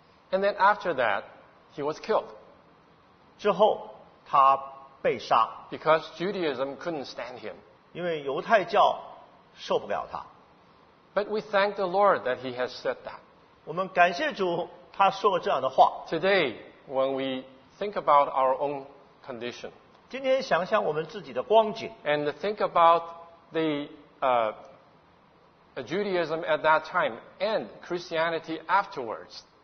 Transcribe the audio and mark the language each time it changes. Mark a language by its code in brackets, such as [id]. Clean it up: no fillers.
[en] And then after that, he was killed. [zh] 之后他被杀。 [en] Because Judaism couldn't stand him. [zh] 因为犹太教受不了他。 [en] But we thank the Lord that he has said that. [zh] 我们感谢主他说了这样的话。 [en] Today, when we think about our own condition, [zh] 今天想想我们自己的光景, [en] and think about the Judaism at that time and Christianity afterwards,